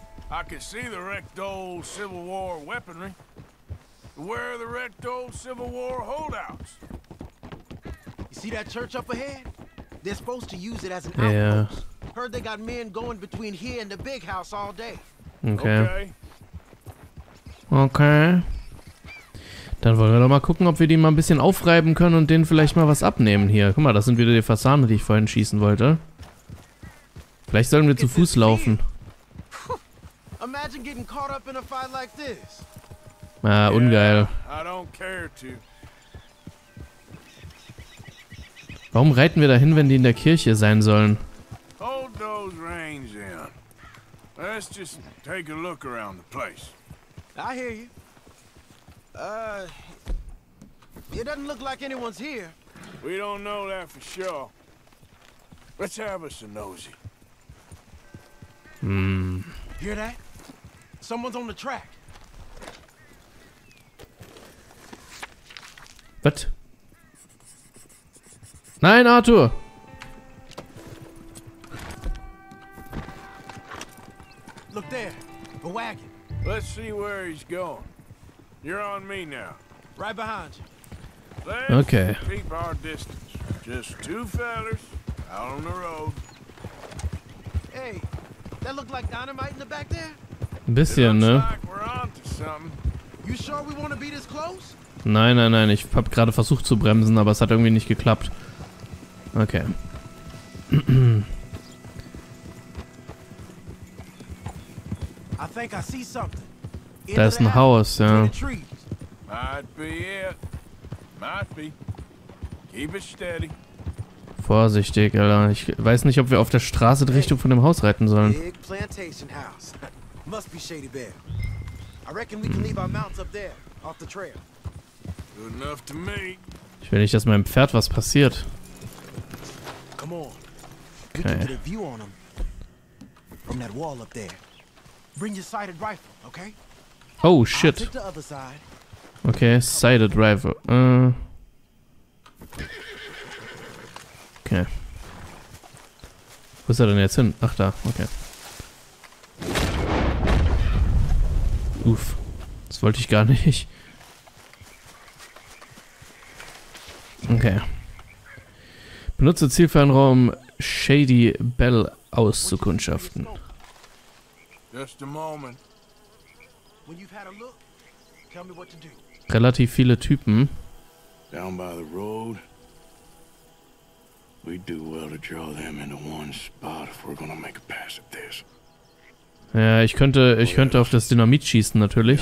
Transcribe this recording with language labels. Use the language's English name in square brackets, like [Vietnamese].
[English] I can see the wrecked old Civil War weaponry. Where are the wrecked old Civil War holdouts? You see that church up ahead? They're supposed to use it as an outpost. Yeah. Heard they got men going between here and the big house all day. Okay. [German] Dann wollen wir doch mal gucken, ob wir die mal ein bisschen aufreiben können und denen vielleicht mal was abnehmen hier. Guck mal, das sind wieder die Fasane, die ich vorhin schießen wollte. Vielleicht sollen wir zu Fuß laufen. [English] Imagine getting caught up in a fight like this. [German] Ah, ungeil. [English] I don't care to. [German] Warum reiten wir dahin, wenn die in der Kirche sein sollen? [English] Hold those reins in. Let's just take a look around the place. I hear you. It doesn't look like anyone's here. We don't know that for sure. Let's have us a nosy. Hear that? Someone's on the track. What? [German] Nein, Arthur! [English] Look there, a wagon. Let's see where he's going. You're on me now. Right behind you. Let's okay. Keep our distance. Just two fellers out on the road. Hey, that looked like dynamite in the back there? [German] Bisschen, [English] looks [German] ne? [English] Like we're on to something. You sure we want to be this close? [German] Nein. Ich habe gerade versucht zu bremsen, aber es hat irgendwie nicht geklappt. [English] Okay. I think I see something. [German] Da ist ein Haus, ja. [English] Might be it. Might be. Keep it steady. [German] Vorsichtig, Alter. Ich weiß nicht, ob wir auf der Straße in Richtung von dem Haus reiten sollen. [English] Big plantation house. Must be Shady Bear. I reckon we can leave our mounts up there, off the trail. Good enough to me. [German] Ich will nicht, dass meinem Pferd was passiert. [English] Come on. We can get a view on them. From that wall up there. Bring your sighted rifle, okay? Oh shit. Okay, sighted rifle. [German] Okay. Wo ist er denn jetzt hin? Ach da, okay. Uff. Das wollte ich gar nicht. Okay. Benutze Zielfernrohr, um Shady Bell auszukundschaften. [English] Just a moment. When you've had a look, tell me what to do. [German] Relativ viele Typen. [English] Down by the road. We'd do well to draw them into one spot if we're gonna make a pass at this. [German] Ja, ich könnte auf das Dynamit schießen natürlich.